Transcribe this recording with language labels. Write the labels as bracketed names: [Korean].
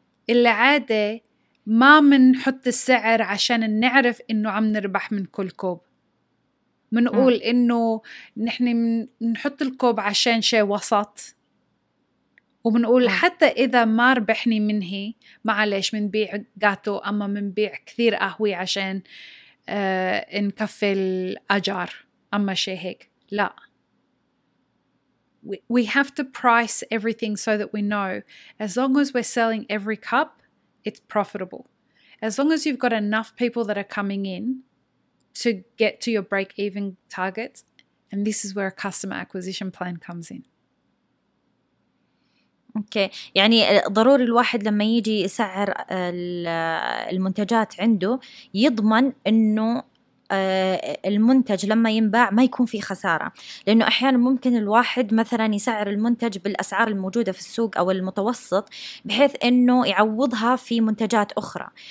[Arabic] العادة ما منحط السعر عشان نعرف إنه عم نربح من كل كوب، منقول إنه نحن منحط الكوب عشان شيء وسط، وبنقول حتى إذا ما ربحني منه معليش منبيع جاتو أما منبيع كثير قهوة عشان نكفي الأجار أما شيء هيك. [English] لا، we have to price everything so that we know as long as we're selling every cup it's profitable, as long as you've got enough people that are coming in to get to your break even target, and this is where a customer acquisition plan comes in. [Arabic] اوكي، يعني ضروري الواحد لما يجي يسعر المنتجات عنده يضمن انه المنتج لما ينباع ما يكون فيه خساره، لانه احيانا ممكن الواحد مثلا يسعر المنتج بالاسعار الموجوده في السوق او المتوسط بحيث انه يعوضها في منتجات اخرى.